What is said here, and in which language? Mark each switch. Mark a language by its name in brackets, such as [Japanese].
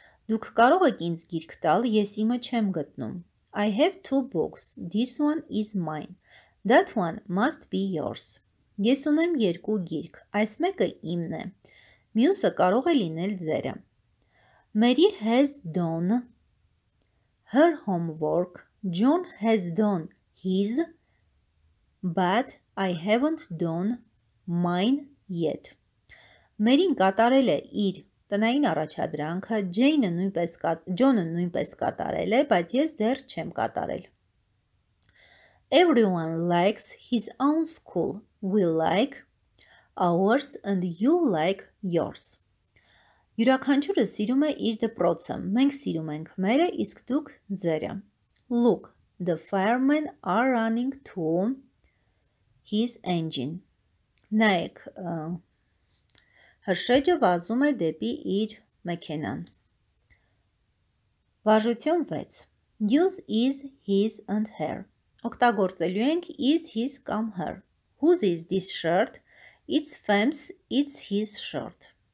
[Armenian] Դուք կարող եք ինձ գիրք տալ, ես իմը չեմ գտնում. [English] I have two books. This one is mine. That one must be yours. [Armenian] Ես ունեմ երկու գիրք. Այս մեկը իմն է. Մյուսը կարող է լինել ձերը. [English] Mary has done her homework. John has done his, but I haven't done mine yet. [Armenian] Մերին կատարել է իր տնային առաջադրանքը, Ջոնը նույնպես կատարել է, բայց ես դեռ չեմ կատարել. [English] Everyone likes his own school. We like ours and you like yours. [Armenian] Յուրաքանչյուրը սիրում է իր դպրոցը, մենք սիրում ենք մերը, իսկ դուք ձերը. [English] Look, the firemen are running to his engine. [Armenian] Նայեք, հրշեջը վազում է դեպի իր մեքենան. [English] Վարժություն 6. Use is, his and her. [Armenian] Օգտագործելու ենք is, his կամ her. [English] Whose is this shirt? It's Fem's, it's his shirt.